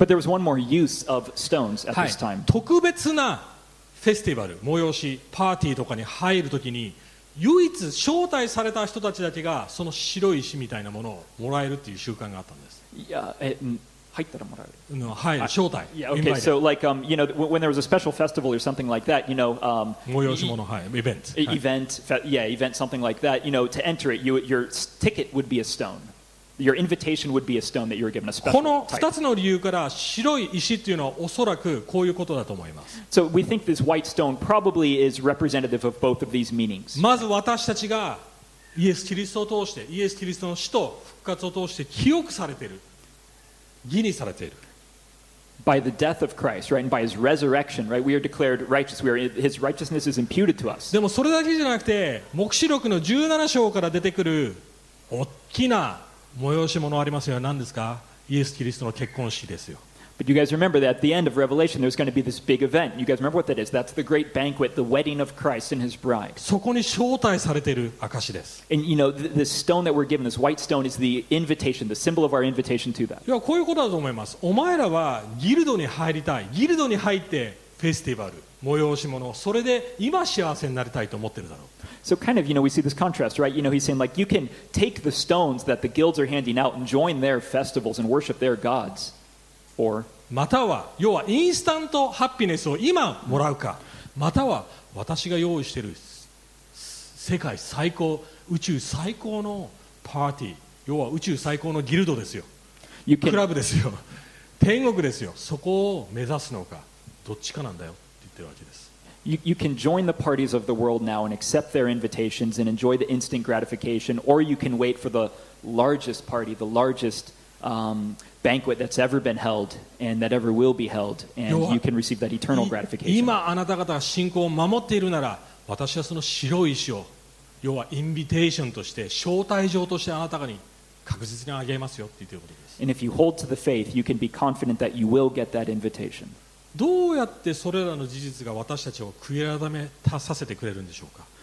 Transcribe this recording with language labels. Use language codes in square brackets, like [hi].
[en] But there was one more use of stones at this time. [ja] 特別なフェスティバル、催し、パーティーとかに入るときに。唯一招待された人たちだけがその白い石みたいなものをもらえるっていう習慣があったんです。いや、入ったらもらえる。うん、はい、招待。 [en] Yeah, okay, so like, you know, when there was a special festival or something like that, you know, [ja] 催し物、はい、イベント。 [en] Event, yeah, event, something like that, you know, to enter it, your ticket would be a stone. Your invitation would be a stone that you were given a special [ja] この2つの理由から白い石っていうのはおそらくこういうことだと思います。 [en] So we think this white stone probably is representative of both of these meanings. [ja] まず私たちがイエス・キリストを通して、イエス・キリストの死と復活を通して記憶されている、義にされている。 [en] By the death of Christ, right, and by His resurrection, right, we are declared righteous. We are His righteousness is imputed to us. [ja] でもそれだけじゃなくて、黙示録の17章から出てくる大きな催し物ありますよ。何ですか？イエス・キリストの結婚式ですよ。 [en] But you guys remember that at the end of Revelation, there's going to be this big event. You guys remember what that is? That's the great banquet, the wedding of Christ and His bride. [ja] そこに招待されている証です。 [en] And you know, the stone that we're given, this white stone, is the invitation, the symbol of our invitation to that. [ja] いや、こういうことだと思います。お前らはギルドに入りたい。ギルドに入ってフェスティバル、催し物、それで今幸せになりたいと思ってるだろう。 [en] So kind of, you know, we see this contrast, right? You know, he's saying like, you can take the stones that the guilds are handing out and join their festivals and worship their gods. Or, [ja] または、要はインスタントハッピネスを今もらうか、または私が用意している世界最高、宇宙最高のパーティー、要は宇宙最高のギルドですよ。クラブですよ。天国ですよ。そこを目指すのか、どっちかなんだよって言ってるわけです。 [en] You can join the parties of the world now and accept their invitations and enjoy the instant gratification, or you can wait for the largest party, the largest banquet that's ever been held and that ever will be held, and you can receive that eternal gratification. [ja] 今あなた方が信仰を守っているなら、私はその白い石を、要はインビテーションとして、招待状としてあなた方に確実にあげますよって言っていることです。 [en] And if you hold to the faith, you can be confident that you will get that invitation. [ja] どうやってそれらの事実が私たちを悔い改めさせてくれるんでしょうか。